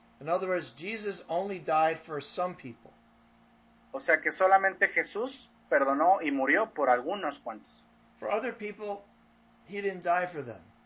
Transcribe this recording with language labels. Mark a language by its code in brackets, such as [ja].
[en] In other words, Jesus only died for some people. [es] O sea que solamente Jesús perdonó y murió por algunos cuantos. [en] For other people, he didn't die for them.